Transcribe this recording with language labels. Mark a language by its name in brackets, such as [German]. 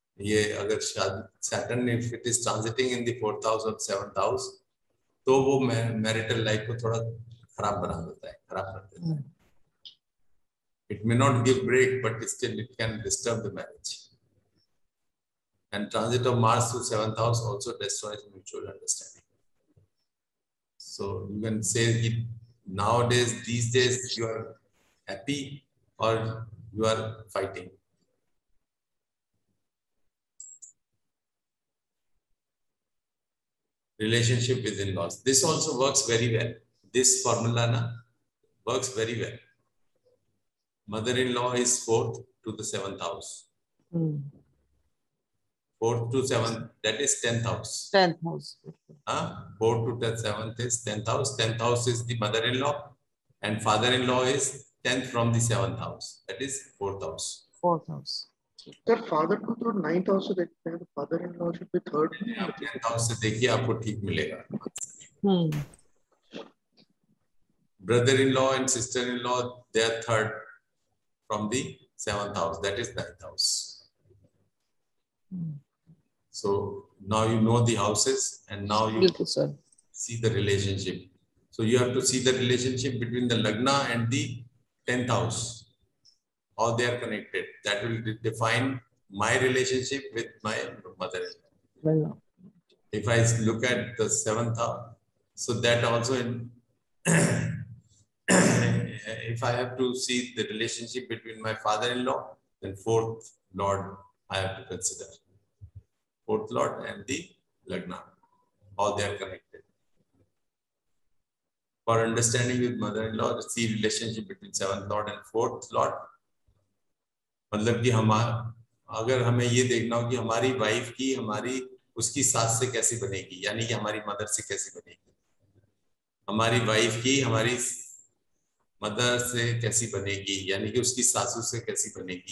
[Hindi] ये अगर [English] Saturn if it is transiting in the fourth house और seventh house [Hindi] तो वो मैरिटल लाइफ को थोड़ा खराब बना देता है खराब कर देता है [English] It may not give break but still it can disturb the marriage And transit of Mars to seventh house also destroys mutual understanding. So you can say that nowadays, these days, you are happy or you are fighting. Relationship with in-laws. This also works very well. This formula na works very well. Mother-in-law is fourth, to the seventh house. Fourth to seventh, that is 10th house. 10th house. Fourth to the seventh is 10th house. 10th house is the mother-in-law and father-in-law is 10th from the 7th house. That is 4th house. 4th house. Sir father [Hindi] को तो ninth house से देखते हैं तो [English] father in law should be third house [Hindi] से देखिए आपको ठीक मिलेगा [English] Brother in law and sister in law they are third from the seventh house that is ninth house so now you know the houses and now you sir see the relationship so you have to see the relationship between the lagna and the tenth house All they are connected. That will define my relationship with my mother. Well, if I look at the seventh house, so that also in if I have to see the relationship between my father-in-law, then fourth lord I have to consider. Fourth lord and the lagna. All they are connected. For understanding with mother-in-law, see relationship between seventh lord and fourth lord. [Hindi] मतलब कि हमारा अगर हमें ये देखना हो कि हमारी वाइफ की हमारी उसकी सास से कैसी बनेगी यानी कि हमारी मदर से कैसी बनेगी हमारी वाइफ की हमारी मदर से कैसी बनेगी यानी कि उसकी सासू से कैसी बनेगी